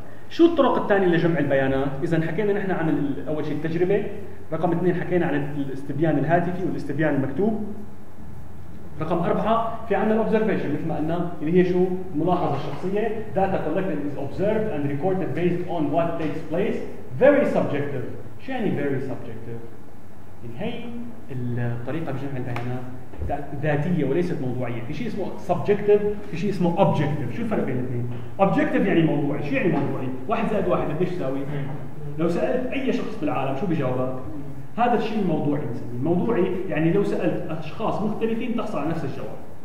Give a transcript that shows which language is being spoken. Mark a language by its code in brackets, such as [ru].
[ar] شو الطرق الثانية لجمع البيانات؟ إذا حكينا نحن عن أول شيء التجربة، رقم اثنين حكينا عن الاستبيان الهاتفي والاستبيان المكتوب، رقم أربعة في عنا الobservation مثل ما قلنا اللي هي شو ملاحظة شخصية. [en] data collected is observed and recorded based on what takes place. very subjective. [ar] شو يعني very subjective؟ إن هي الطريقة بجمع البيانات ذاتية وليست موضوعية. في شيء اسمه subjective، في شيء اسمه objective. شو الفرق بين الاثنين؟ objective يعني موضوعي. شو يعني موضوعي؟ واحد زائد واحد قديش يساوي؟ لو سألت أي شخص بالعالم شو بجاوبك؟ هذا الشيء الموضوعي نسميه موضوعي، يعني لو سألت أشخاص مختلفين تحصل على نفس الجواب.